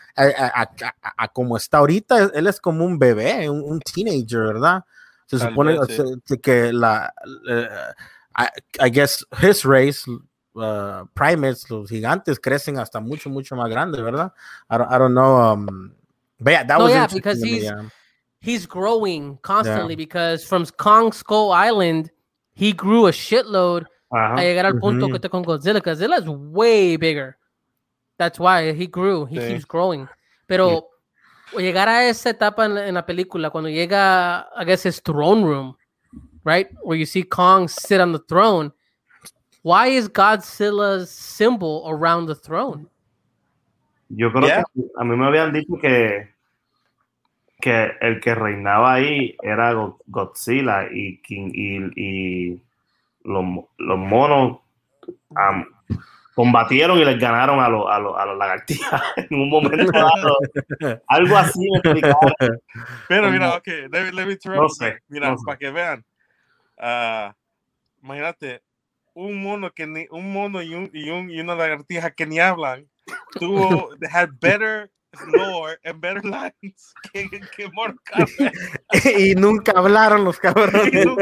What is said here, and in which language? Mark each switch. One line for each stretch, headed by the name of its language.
Spanish: A como está ahorita, él es como un bebé, un teenager, ¿verdad? Se supone que la,
English: I guess his race,
Spanish: primates, los gigantes, crecen hasta mucho, mucho más grandes, ¿verdad?
English: I don't know. But yeah, that no, was yeah, because he's, he's growing constantly yeah. because from Kong Skull Island, he grew a shitload.
Spanish: Uh-huh. A llegar al punto mm-hmm. que está con Godzilla.
English: Godzilla is way bigger. That's why he grew. He keeps growing.
Spanish: Pero yeah. llegar a esa etapa en la película, cuando llega,
English: I guess, his throne room, right? Where you see Kong sit on the throne. Why is Godzilla's symbol around the throne?
Spanish: Yo creo que a mí me habían dicho que el que reinaba ahí era Godzilla y King y los monos combatieron y les ganaron a los lagartijas en un momento dado. Algo así me explicaba. Pero mira,
English: okay, let me interrupt.
Spanish: Mira, para que vean. Imagínate un mono y una lagartija que ni hablan.
English: Tuvo had better lore and better lines que Mortal Kombat.
Spanish: Y nunca hablaron los cabrones.